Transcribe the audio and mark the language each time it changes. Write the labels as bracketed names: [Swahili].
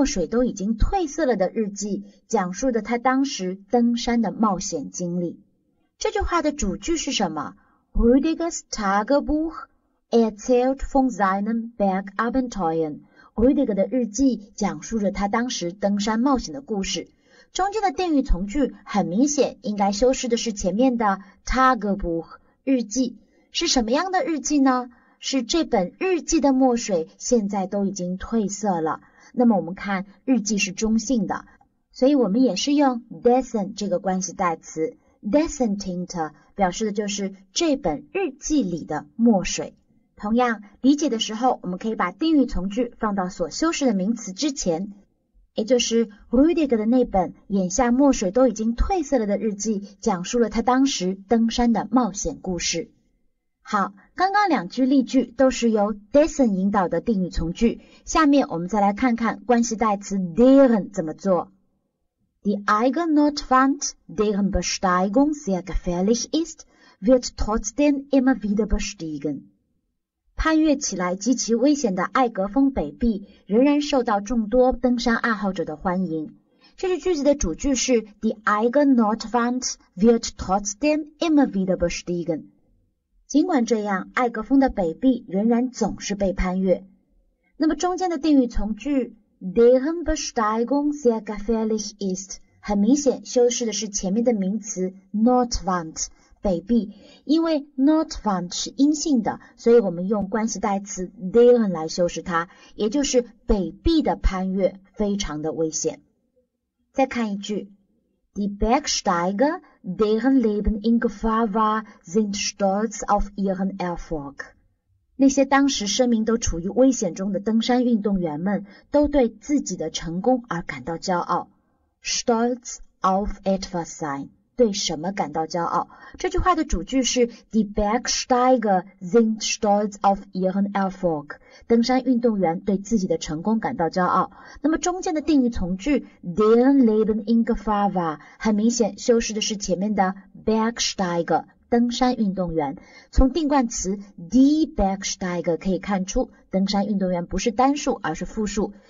[Chinese] Rüdiger的那本墨水都已经褪色了的日记, 讲述的他当时登山的冒险经历。这句话的主句是什么? [German] Rüdigers Tagebuch erzählt von seinen Bergabenteuern. [Chinese] Rüdiger的日记讲述着他当时登山冒险的故事。中间的定语从句很明显应该修饰的是前面的 Tagebuch 日记。是什么样的日记呢?是这本日记的墨水现在都已经褪色了。那么我们看日记是中性的, 所以我们也是用 dessen 这个关系代词。 [German] Dessen Tinte [Chinese] 表示的就是这本日记里的墨水。同样，理解的时候，我们可以把定语从句放到所修饰的名词之前，也就是 Rüdiger 的那本眼下墨水都已经褪色了的日记，讲述了他当时登山的冒险故事。好，刚刚两句例句都是由 dessen 引导的定语从句，下面我们再来看看关系代词 deren 怎么做。 [German] Die Eigennot fand, deren Besteigung sehr gefährlich ist, wird trotzdem immer wieder bestiegen. [Chinese] 攀越起来极其危险的艾格峰北壁仍然受到众多登山爱好者的欢迎。这句句子的主句是 [German] Die Eigennot fand, wird trotzdem immer wieder bestiegen. [Chinese] 尽管这样，艾格峰的北壁仍然总是被攀越。那么中间的定语从句 [German] Deren Besteigung sehr gefährlich ist. [Chinese] 很明显修饰的是前面的名词 Nordwand, 北壁。因为 Nordwand 是阴性的，所以我们用关系代词 deren 来修饰它，也就是北壁的攀越非常的危险。再看一句。 [German] Die Bergsteiger, deren Leben in Gefahr war, sind stolz auf ihren Erfolg. [Chinese] 那些当时生命都处于危险中的登山运动员们都对自己的成功而感到骄傲。 [German] Stolz auf etwas sein, [Chinese] 对什么感到骄傲。这句话的主句是 [German] Die Bergsteiger sind stolz auf ihren Erfolg, [Chinese] 登山运动员对自己的成功感到骄傲。那么中间的定语从句 [German] Deren Leben in Gefahr war, [Chinese] 很明显修饰的是前面的 Bergsteiger,登山运动员，从定冠词 die Bergsteiger 可以看出，登山运动员不是单数，而是复数。